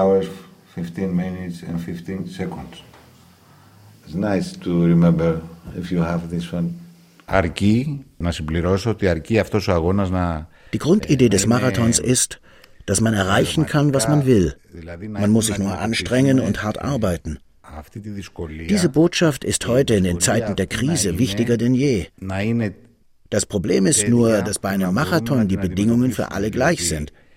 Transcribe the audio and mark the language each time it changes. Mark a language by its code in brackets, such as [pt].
[en] hours, 15 minutes and 15 seconds. It's nice to remember if you have this one. [el] Αρκεί να συμπληρώσω ότι αρκεί αυτός ο αγώνας να... [de] Die Grundidee des Marathons ist, dass man erreichen kann, was man will. Man muss sich nur anstrengen und hart arbeiten. Diese Botschaft ist heute in den Zeiten der Krise wichtiger denn je. Das Problem ist nur, dass bei einem Marathon die Bedingungen für alle gleich sind.